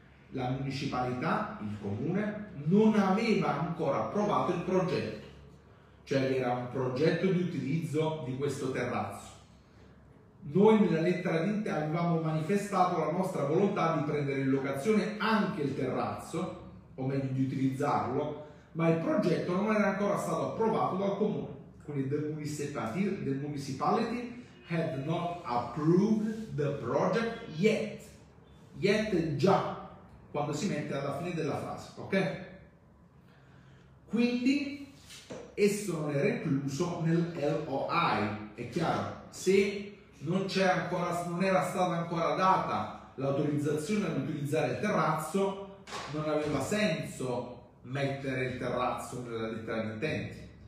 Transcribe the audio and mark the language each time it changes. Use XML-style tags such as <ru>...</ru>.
<it>La municipalità, il comune, non aveva ancora approvato il progetto, cioè era un progetto di utilizzo di questo terrazzo. Noi nella lettera di intenti avevamo manifestato la nostra volontà di prendere in locazione anche il terrazzo, o meglio di utilizzarlo, ma il progetto non era ancora stato approvato dal comune.</it> <en>Quindi the municipality had not approved the project yet.</en> <it>Yet è già, quando si mette alla fine della frase, ok? Quindi, esso non era incluso nel LOI, è chiaro, se non c'è ancora, non era stata ancora data l'autorizzazione ad utilizzare il terrazzo, non aveva senso mettere il terrazzo nella lettera di intenti.</it>